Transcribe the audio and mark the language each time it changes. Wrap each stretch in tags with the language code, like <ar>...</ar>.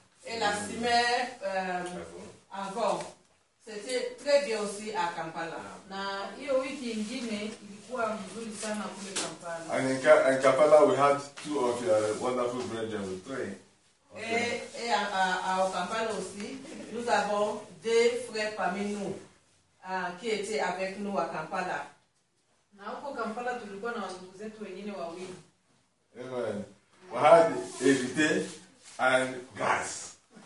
<fr>Et la semaine avant, c'était très bien aussi à Kampala.</fr> <sw>Na hiyo wiki ingine ilikuwa mzuri sana kule Kampala.</sw> <en>And in Kampala, we had two of your wonderful brethren with three.</en> <fr>Et à Kampala aussi, nous avons deux frères parmi nous qui étaient avec nous à Kampala.</fr> <sw>Na huko Kampala tulikuwa na wazungu zetu wengine wawili.</sw> <en>Amen. We had Evite and Gas.</en>